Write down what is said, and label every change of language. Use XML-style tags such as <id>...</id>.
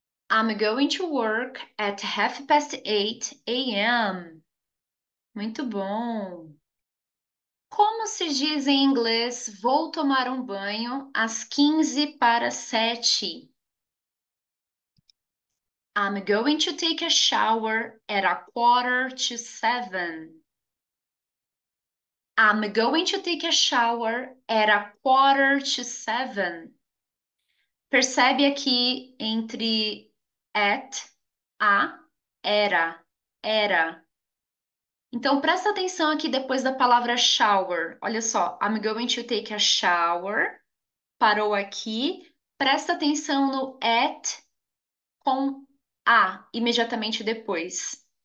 <en>I'm going to work at 8:30 a.m.</en> <pt>Muito bom. Como se diz em inglês, vou tomar um banho às 15 para 7.</pt> <en>I'm going to take a shower at a quarter to 7. I'm going to take a shower at a quarter to 7.</en> <pt>Percebe aqui entre at, a, era. Então, presta atenção aqui depois da palavra shower. Olha só,</pt> <en>I'm going to take a shower.</en> <pt>Parou aqui. Presta atenção no at com a imediatamente depois.</pt>